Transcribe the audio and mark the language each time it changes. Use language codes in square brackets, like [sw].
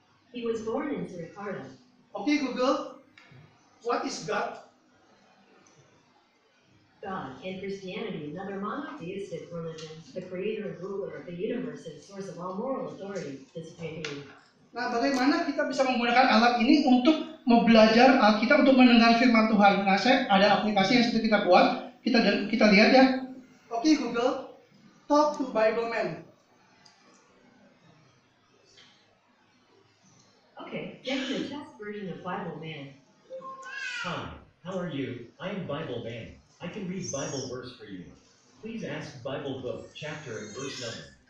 [en] He was born in Jakarta. Okay, Google, what is God? God, in Christianity, another monotheistic religion, the creator and ruler of the universe and source of all moral authority, this deity. [id] Nah, bagaimana kita bisa menggunakan alat ini untuk membelajar Alkitab, untuk mendengar firman Tuhan? Nah, saya ada aplikasi yang sudah kita buat. Kita lihat ya. [en] Okay, Google, talk to Bible Man. Okay, give me the test version of Bible Man. Hi, how are you? I'm Bible Man. I can read Bible verse for you. Please ask Bible book, chapter and verse number.